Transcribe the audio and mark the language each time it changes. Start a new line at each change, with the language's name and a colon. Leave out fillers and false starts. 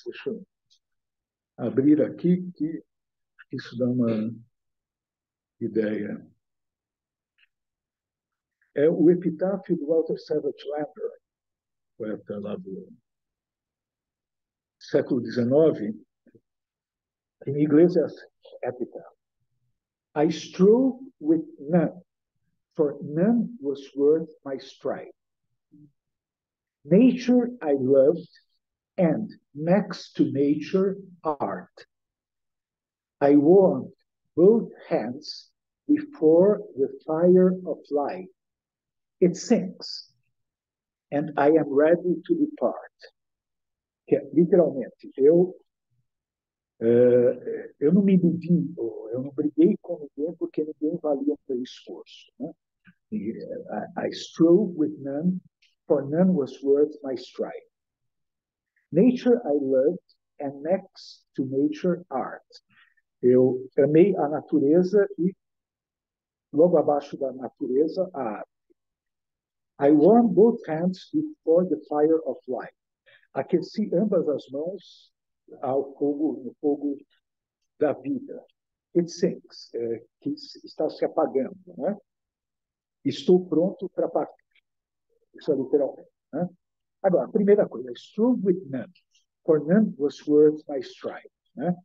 Portuguese: Deixa eu abrir aqui que isso dá uma ideia. É o epitáfio do Walter Savage Landor, poeta lá do século XIX. Em inglês é epitáfio.
English: I strove with none, for none was worth my strife. Nature I loved, and next to nature, art. I warmed both hands before the fire of life. It sinks, and I am ready to depart.
Portuguese: Que é, literalmente, eu não me iludi, eu não briguei com ninguém porque ninguém valia o meu esforço. Né?
English: I strove with none, for none was worth my strife. Nature I loved, and next to nature, art.
Portuguese: Eu amei a natureza e, logo abaixo da natureza, a arte.
English: I warmed both hands before the fire of life.
Portuguese: Aqueci ambas as mãos ao fogo, no fogo da vida.
English: It sinks,
Portuguese: que está se apagando, né? Estou pronto para partir. Isso é literalmente, né? Agora, a primeira coisa,
English: I strove with none, for none was worth my strife, né?